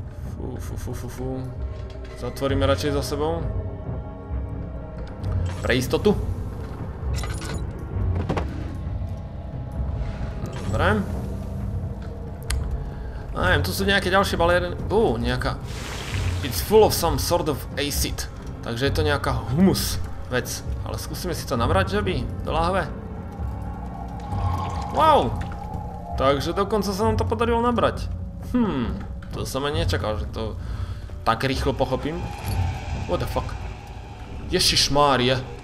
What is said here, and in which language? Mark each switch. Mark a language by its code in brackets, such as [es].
[sk] Fú. Zatvoríme radšej za sebou. Pre istotu. Dobre. Neviem, tu sú nejaké ďalšie baléry. Nejaká... [en] it's full of some sort of acid. [sk] Takže je to nejaká humus vec. Ale skúsime si to nabrať, že by? Do láhve. Wow! Takže dokonca sa nám to podarilo nabrať. To som aj nečakal, že to... tak rýchlo pochopím. [en] What the fuck? [sk] Ježišmária.